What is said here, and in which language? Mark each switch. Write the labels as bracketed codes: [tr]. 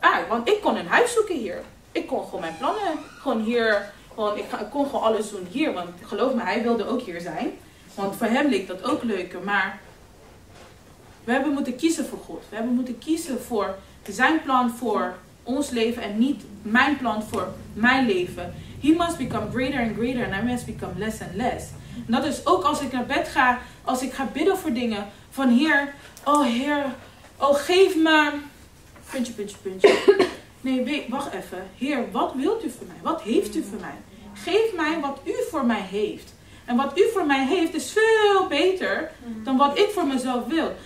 [nl] want ik kon een huis zoeken hier. Ik kon gewoon mijn plannen gewoon hier... Ik kon gewoon alles doen hier. Want geloof me, hij wilde ook hier zijn. Want voor hem leek dat ook leuker. Maar... We hebben moeten kiezen voor God. We hebben moeten kiezen voor zijn plan voor ons leven en niet mijn plan voor mijn leven. [en] He must become greater and greater and I must become less and less. [nl] En dat is ook als ik naar bed ga, als ik ga bidden voor dingen. Van Heer, oh Heer, Oh, geef me... Puntje. Nee, wacht even. Heer, wat wilt u van mij? Wat heeft u van mij? Geef mij wat u voor mij heeft. En wat u voor mij heeft is veel beter dan wat ik voor mezelf wil.